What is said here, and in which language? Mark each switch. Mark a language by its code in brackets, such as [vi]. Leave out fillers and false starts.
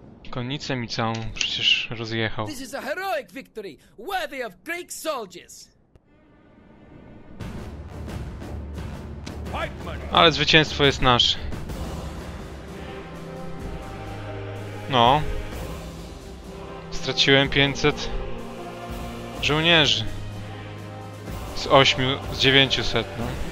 [pl] Konnicę mi całą przecież rozjechał. [en] This is a heroic victory, worthy of Greek soldiers. [pl] Ale zwycięstwo jest nasze. No. Straciłem 500 żołnierzy. Z 8, z 900, no.